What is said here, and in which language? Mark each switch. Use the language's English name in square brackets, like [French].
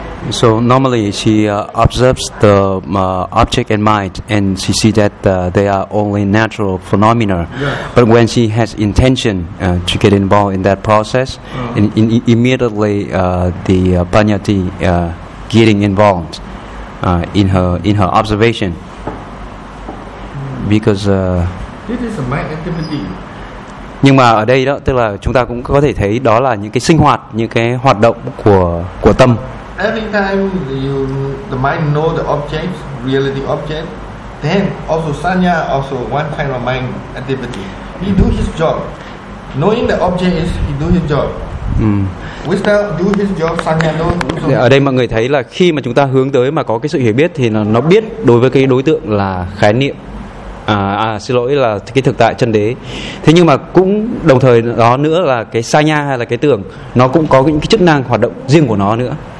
[English] So normally she observes the object in mind, and she sees that they are only natural phenomena. Yes. But when she has intention to get involved in that process, immediately the panyati getting involved in her observation. Because it is a mind activity. [Vietnamese] Nhưng mà ở đây đó, tức là chúng ta cũng có thể thấy đó là những cái sinh hoạt, những cái hoạt động của tâm. [English] Every time the mind know the object, reality object, then also sanya also one kind of mind activity. He do his job. Knowing the object is he do his job. Wisdom do his job, sanya do his job. [Vietnamese] Ở đây mọi người thấy là khi mà chúng ta hướng tới mà có cái sự hiểu biết thì nó biết đối với cái đối tượng là khái niệm. Xin lỗi, là cái thực tại chân đế. Thế nhưng mà cũng đồng thời đó nữa là cái sanya hay là cái tưởng, nó cũng có những cái chức năng hoạt động riêng của nó nữa.